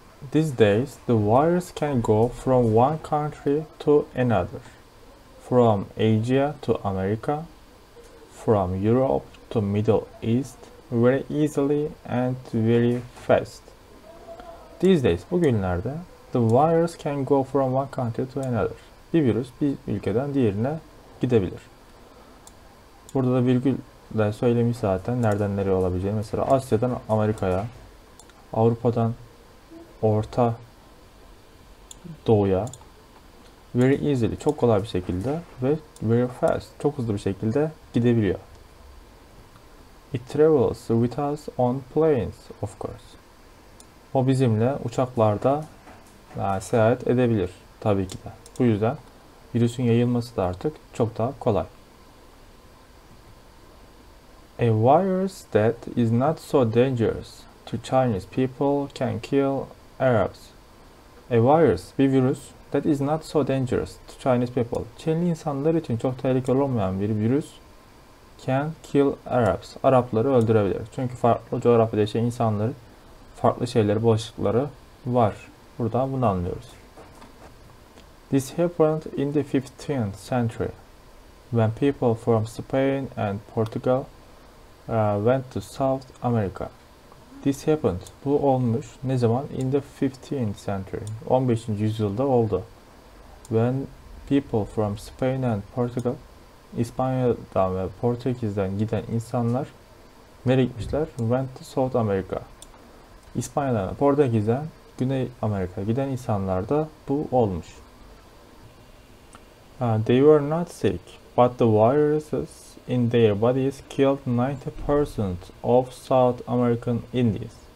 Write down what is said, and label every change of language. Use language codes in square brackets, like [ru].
[en] These days, the virus can go from one country to another, from Asia to America, from Europe to Middle East, very easily and very fast. These days, [tr] bugünlerde, [en] the virus can go from one country to another. [tr] Bir virüs bir ülkeden diğerine gidebilir. Burada da virgül de söylemiş zaten nereden nereye olabileceğini. Mesela Asya'dan Amerika'ya, Avrupa'dan Orta Doğu'ya [en] very easily [tr] çok kolay bir şekilde ve [en] very fast [tr] çok hızlı bir şekilde gidebiliyor. [en] It travels with us on planes, of course. [tr] O bizimle uçaklarda seyahat edebilir tabii ki de. Bu yüzden virüsün yayılması da artık çok daha kolay. [en] A virus that is not so dangerous to Chinese people can kill Arabs. A virus, [tr] bir virüs [en] that is not so dangerous to Chinese people. [tr] Çinli insanlar için çok tehlikeli olmayan bir virüs [en] can kill Arabs. [tr] Arapları öldürebilir. Çünkü farklı coğrafyada yaşayan insanların farklı şeyleri, bulaşıkları var. Buradan bunu anlıyoruz. [en] This happened in the 15th century when people from Spain and Portugal went to South America. This happened. [tr] Bu olmuş. Ne zaman? [en] In the 15th century. [tr] 15. yüzyılda oldu. [en] When people from Spain and Portugal, [tr] İspanya'dan ve Portekiz'den giden insanlar nereye gitmişler? [en] Went to South America. [tr] İspanya'dan ve Portekiz'den Güney Amerika'ya giden insanlar da bu olmuş. [en] They were not sick, but the viruses in their bodies killed 90% of South American Indians.